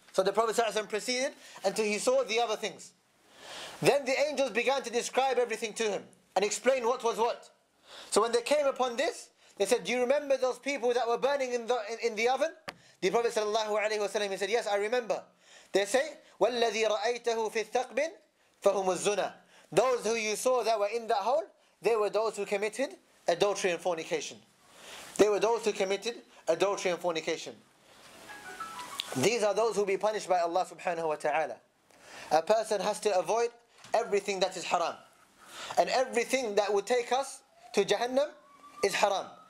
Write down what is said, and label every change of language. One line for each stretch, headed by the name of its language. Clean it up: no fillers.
English: So the Prophet ﷺ proceeded until he saw the other things. Then the angels began to describe everything to him and explain what was what. So when they came upon this, they said, "Do you remember those people that were burning in the oven?" The Prophet sallallahu alaihi wasallam, he said, "Yes, I remember." They say,
Arabic: "وَالَّذِي رَأَيْتَهُ فِي الثَّقْبٍ فَهُمُ الزُّنَى."
English: Those who you saw that were in that hole, they were those who committed adultery and fornication. They were those who committed adultery and fornication. These are those who will be punished by Allah subhanahu wa ta'ala. A person has to avoid everything that is haram. And everything that would take us to Jahannam is haram.